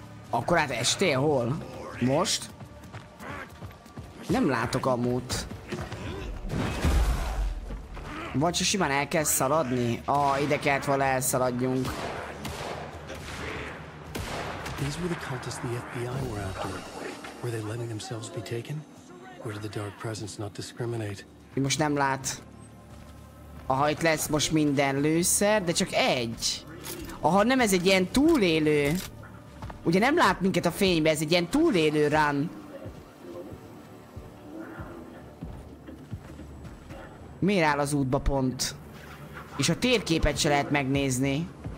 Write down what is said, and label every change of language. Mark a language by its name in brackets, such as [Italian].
[Hungarian] Akkor hát estél hol? Most? Nem látok amót. Vagy csak simán el kell szaladni? Ah, ide kellett volna elszaladjunk. [English] These were the cultists the FBI were after. Were they letting themselves be taken? Or did the dark presence not discriminate? [Hungarian] Mi most nem lát. Aha, itt lesz most minden lőszer, de csak egy. Aha, nem, ez egy ilyen túlélő. Ugye nem lát minket a fénybe, ez egy ilyen túlélő run. Miért áll az útba pont? És a térképet se lehet megnézni.